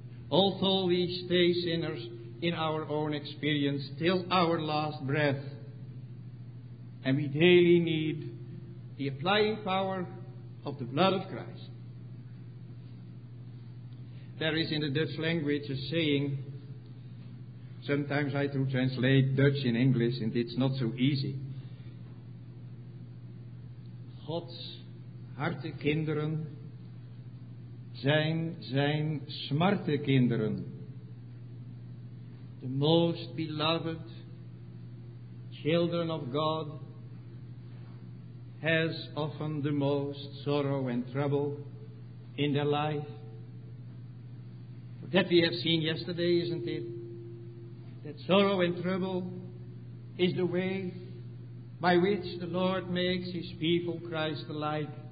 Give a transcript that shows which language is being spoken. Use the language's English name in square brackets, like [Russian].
[English] Although we stay sinners in our own experience till our last breath, and we daily need the applying power of the blood of Christ. There is in the Dutch language a saying, sometimes I do translate Dutch in English and it's not so easy. [Dutch] Gods harte kinderen zijn smarte kinderen. [English] The most beloved children of God has often the most sorrow and trouble in their life. That we have seen yesterday, isn't it? That sorrow and trouble is the way by which the Lord makes his people Christ alike.